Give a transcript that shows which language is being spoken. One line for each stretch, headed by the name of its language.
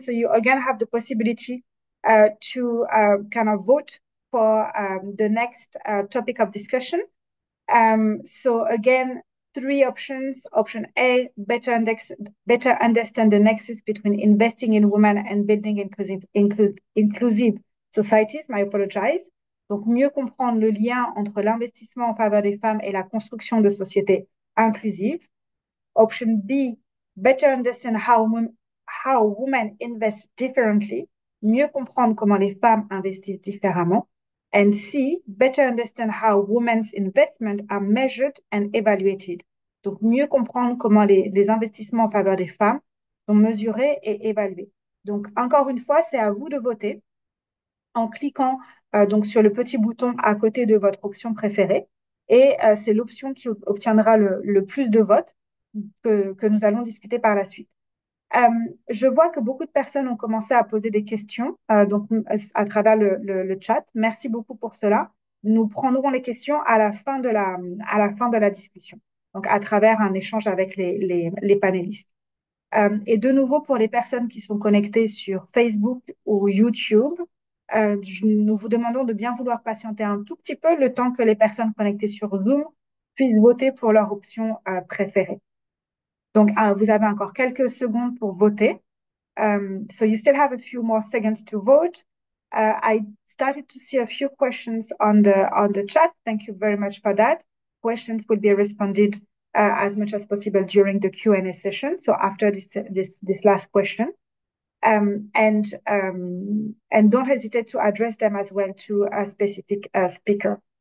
English: So you again have the possibility to kind of vote for the next topic of discussion. So again, three options. Option A, better understand the nexus between investing in women and building inclusive societies. I apologize.
French: Donc, mieux comprendre le lien entre l'investissement en faveur des femmes et la construction de sociétés inclusives.
English: Option B, better understand how women invest differently.
French: Mieux comprendre comment les femmes investissent différemment.
English: And C, better understand how women's investments are measured and evaluated.
French: Donc, mieux comprendre comment les investissements en faveur des femmes sont mesurés et évalués. Donc, encore une fois, c'est à vous de voter en cliquant donc sur le petit bouton à côté de votre option préférée. Et c'est l'option qui obtiendra le plus de votes que nous allons discuter par la suite. Je vois que beaucoup de personnes ont commencé à poser des questions donc, à travers le chat. Merci beaucoup pour cela. Nous prendrons les questions à la fin de la discussion. Donc, à travers un échange avec les panélistes. Et de nouveau, pour les personnes qui sont connectées sur Facebook ou YouTube, nous vous demandons de bien vouloir patienter un tout petit peu le temps que les personnes connectées sur Zoom puissent voter pour leur option préférée. Donc, vous avez encore quelques secondes pour voter.
English: So you still have a few more seconds to vote. I started to see a few questions on the chat. Thank you very much for that. Questions will be responded as much as possible during the Q&A session. So after this last question, and don't hesitate to address them as well to a specific speaker.